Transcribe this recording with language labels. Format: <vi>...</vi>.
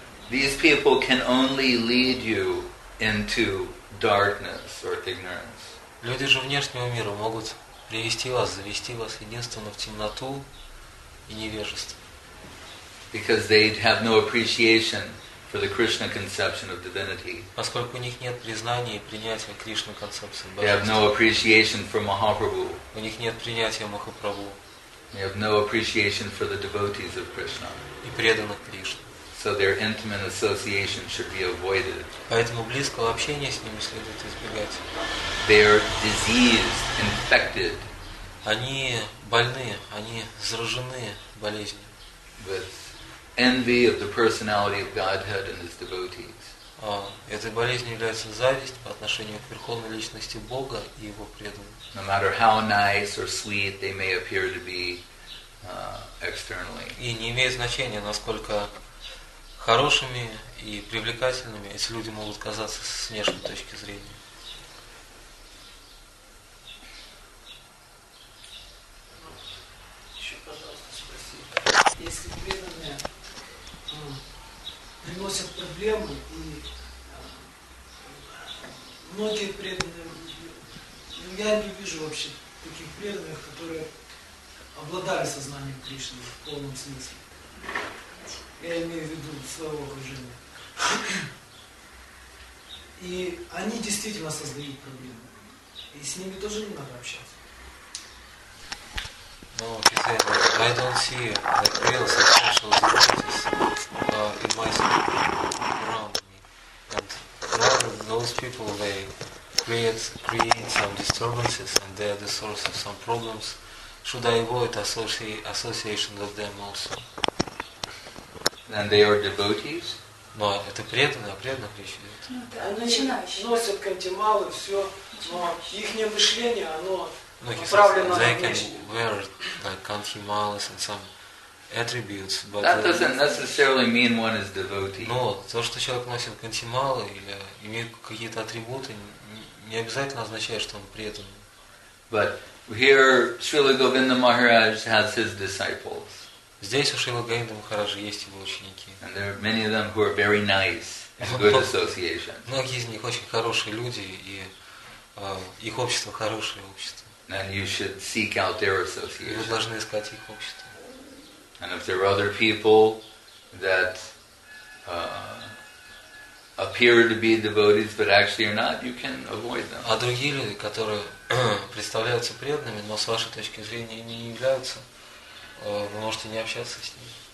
<en>These people can only lead you into darkness or ignorance.</en> <ru>Люди же внешнего мира могут привести вас, завести вас единственно в темноту и невежество.</ru> <en>Because they have no appreciation for the Krishna conception of divinity.</en> <ru>Поскольку у них нет признания и принятия Кришны концепции Божества.</ru> <en>They have no appreciation for Mahaprabhu.</en> <ru>У них нет принятия Махапрабху.</ru> <en>They have no appreciation for the devotees of Krishna.</en> <ru>И преданных Кришне.</ru> <en>So their intimate association should be avoided.</en> <ru>Поэтому близкого общения с ними следует избегать.</ru> <en>They are diseased, infected.</en> <ru>Они больны, они заражены болезнью.</ru> <en>With envy of the personality of Godhead and his devotees.</en> <ru>Этой болезнью является зависть по отношению к верховной личности Бога и его преданным.</ru> <en>No matter how nice or sweet they may appear to be externally.</en> <ru>И не имеет значения, насколько хорошими и привлекательными эти люди могут казаться с внешней точки зрения. Еще, пожалуйста, спросите. Если преданные приносят проблемы, и многие преданные, ну, я не вижу вообще таких преданных, которые обладали сознанием Кришны в полном смысле. Я имею в виду своего окружения. И они действительно создают проблемы. И с ними тоже не надо общаться.</ru> <en>No, she said, I don't see that real substantial difficulties in my circle around me. And rather, those people, they create some disturbances and they are the source of some problems. Should I avoid association with them also? And they are devotees? No,</en> <ru>это преданные, а преданных речь идет. Они носят кантималы, все, но их мышление, оно...</ru> <en>No, he says they can wear like country malas and some attributes, but that doesn't necessarily mean one is devotee. No,</en> <ru>то, что человек носит</ru> <en>country malas</en> <ru>или имеет какие-то атрибуты, не обязательно означает, что он преданный.</ru> <en>But here Srila Govinda Maharaj has his disciples.</en> <ru>Здесь у Шрилы Говинда Махараджа есть его ученики.</ru> <en>And there are many of them who are very nice and good association.</en> <ru>Многие из них очень хорошие люди и их общество хорошее общество.</ru> <en>And you should seek out their association.</en> <ru>Вы должны искать их общество.</ru> <en>And if there are other people that appear to be devotees but actually are not, you can avoid them.</en> <ru>А другие люди, которые представляются преданными, но с вашей точки зрения они не являются, вы можете не общаться с ними.</ru>